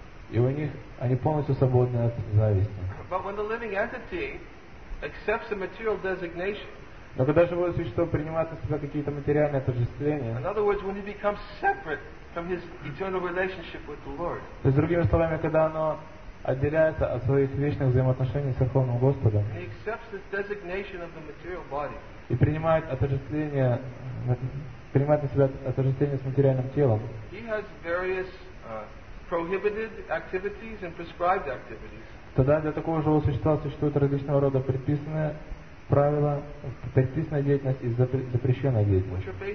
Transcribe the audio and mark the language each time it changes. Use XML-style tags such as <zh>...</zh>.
<ru>И у них они полностью свободны от зависти.</ru> <en>But when the living entity accepts a material designation,</en> <ru>но когда живое существо принимает на себя какие-то материальные отождествления,</ru> <en>in other words, when he becomes separate from his eternal relationship with the Lord,</en> <ru>то есть другими словами, когда оно отделяется от своих вечных взаимоотношений с Верховным Господом,</ru> <en>he accepts the designation of the material body,</en> <ru>и принимает на себя отождествление с материальным телом,</ru> <en>he has various prohibited activities and prescribed activities.</en> <ru>Тогда для такого живого существа существуют различного рода предписанные правила, предписанная деятельность и запрещенная деятельность.</ru>